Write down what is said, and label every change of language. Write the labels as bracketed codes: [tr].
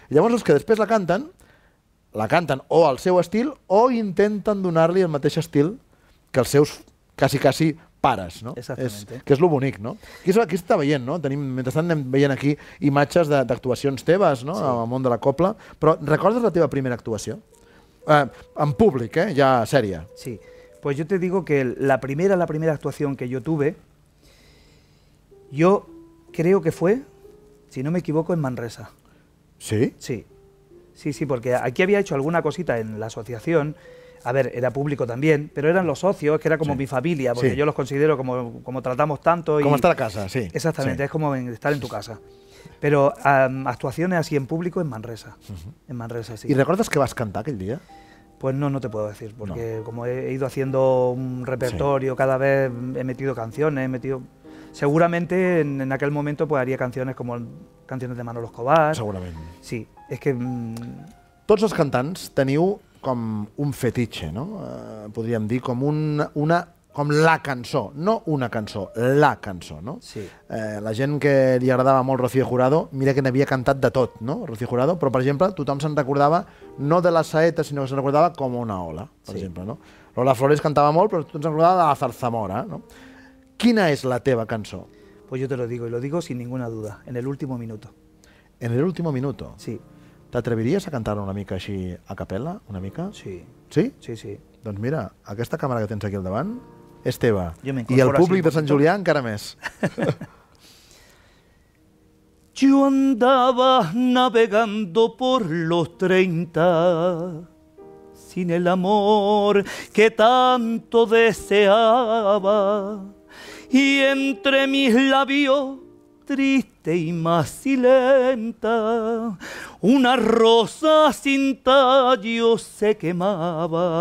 [ca] Llavors els que després la canten o al seu estil o intenten donar-li el mateix estil que els seus quasi pares, no? Exactament. Que és lo bonic, no? Aquí està veient, no? Mentrestant anem veient aquí imatges d'actuacions teves, no? Sí. Al món de la copla, però recordes la teva primera actuació? En públic, eh? Ja sèria. Sí. [es] Pues yo te digo que la primera actuación que yo tuve, yo creo que fue, si no me equivoco, en Manresa. ¿Sí? Sí. Sí, sí, porque aquí había hecho alguna cosita en la asociación. A ver, era público también, pero eran los socios, que era como sí. mi familia, porque sí. yo los considero como tratamos tanto. Como estar a casa, sí. Exactamente, sí. es como estar en tu casa. Pero actuaciones así en público en Manresa. Uh-huh. En Manresa, sí. ¿Y recuerdas que vas a cantar aquel día? Pues no, no te puedo decir, porque no. Como he ido haciendo un repertorio, sí, cada vez he metido canciones, seguramente en aquel momento pues haría canciones como canciones de Manolo Escobar. [ca] Segurament. Sí, és que... Tots els cantants teniu com un fetitxe, no? Podríem dir com una... com la cançó, no una cançó, la cançó, no? Sí. La gent que li agradava molt Rocío Jurado, mira que n'havia cantat de tot, no? Rocío Jurado, però per exemple, tothom se'n recordava no de la saeta, sinó que se'n recordava com una ola, per sí, exemple, no? Lola Flores cantava molt, però tothom se'n recordava de la zarzamora, no? Quina és la teva cançó? [es] Pues yo te lo digo, y lo digo sin ninguna duda, en el último minuto. En el último minuto? Sí. [ca] T'atreviries a cantar una mica així a capella, una mica? Sí. Sí? Sí, sí. Doncs mira, aquesta càmera que tens aquí al davant és teva. I el públic de Sant Julià encara més. [es] Yo andaba navegando por los 30 sin el amor que tanto deseaba y entre mis labios triste y más silenta una rosa sin tallo se quemaba.